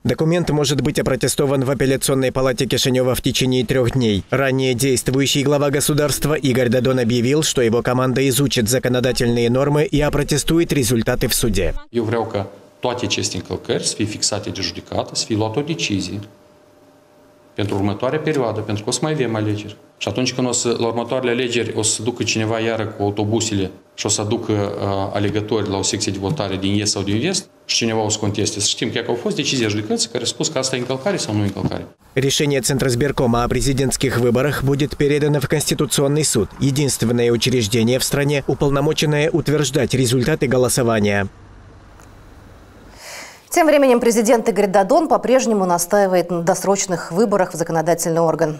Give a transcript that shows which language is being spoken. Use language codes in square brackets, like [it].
[ru] Документ может быть опротестован в апелляционной палате Кишинева в течение 3 дней. Ранее действующий глава государства Игорь Дадон объявил, что его команда изучит законодательные нормы и опротестует результаты в суде. Я хочу, чтобы все участники ЛКР были фиксированы жюдикаты, были приняты решения. [ro] Pentru următoarea perioadă, pentru că o să mai avem alegeri. Și atunci când o să, la următoarele alegeri o să ducă cineva iară cu autobusele și o să aducă alegători la o secție de votare din est sau din vest, și cineva o să conteste. Să știm că au fost decizii judecății care au spus că asta e încălcare sau nu e încălcare. [ru] Решение Центризбиркома о президентских выборах будет передано в Конституционный суд. Единственное учреждение в стране, уполномоченное утверждать результаты голосования. Тем временем президент Игорь Дадон по-прежнему настаивает на досрочных выборах в законодательный орган.